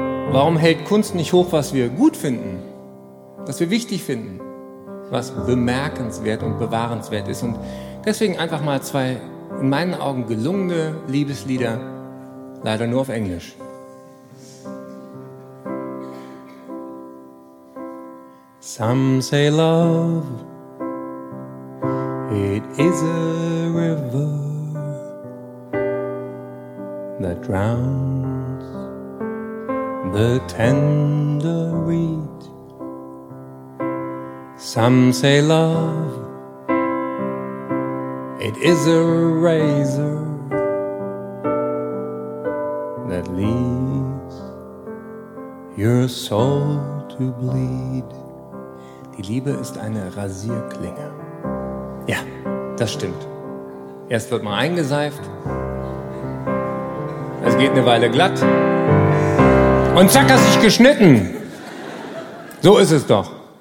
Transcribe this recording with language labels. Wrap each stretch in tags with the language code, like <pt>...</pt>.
<de>Warum hält Kunst nicht hoch, was wir gut finden, was wir wichtig finden, was bemerkenswert und bewahrenswert ist? Und deswegen einfach mal 2 in meinen Augen gelungene Liebeslieder. Leider nur auf Englisch.</de> <en>Some say love, it is a river that drowns the tender reed. Some say love, it is a razor that leaves your soul to bleed.</en> <de>Die Liebe ist eine Rasierklinge. Ja, das stimmt. Erst wird man eingeseift. Es geht eine Weile glatt. Und zack, hat sich geschnitten. So ist es doch.</de>